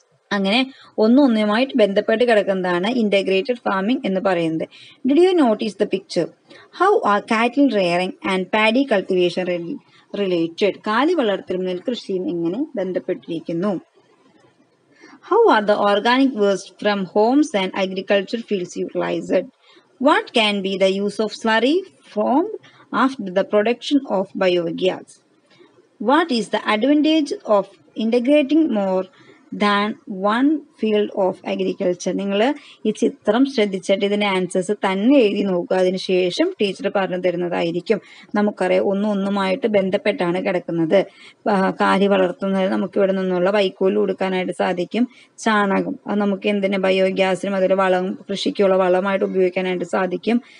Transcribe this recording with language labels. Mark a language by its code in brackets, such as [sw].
[ml] അങ്ങനെ ഒന്നൊന്നുമായിട്ട് ബന്ധപ്പെട്ട് കിടക്കുന്നതാണ് ഇൻ്റഗ്രേറ്റഡ് ഫാമിംഗ് എന്ന് പറയുന്നത്. [en] Did you notice the picture? How are cattle rearing and paddy cultivation related? [ml] കാലി വളർത്തലും നെൽകൃഷിയും എങ്ങനെ ബന്ധപ്പെട്ടിരിക്കുന്നു? [en] How are the organic waste from homes and agriculture fields utilized? What can be the use of slurry formed after the production of biogas? What is the advantage of integrating more than one field of agriculture. [ml] നിങ്ങൾ ഈ ചിത്രം ശ്രദ്ധിച്ചിട്ട് ഇതിൻ്റെ answers തന്നെ എഴുതി നോക്കുക. അതിനുശേഷം teacher പറഞ്ഞു തരുന്നതായിരിക്കും. നമുക്കറിയാം ഒന്നും ഒന്നുമായിട്ട് ബന്ധപ്പെട്ടാണ് കിടക്കുന്നത്. കാരി വളർത്തുന്നത് നമുക്ക് ഇവിടെ നിന്നുള്ള വൈക്കോല് കൊടുക്കാനായിട്ട് സാധിക്കും. ചാണകം അത് നമുക്ക് എന്തിനു ബയോഗ്യാസിനും അതിൽ വളം കൃഷിക്കുള്ള വളമായിട്ട് ഉപയോഗിക്കാനായിട്ട് സാധിക്കും.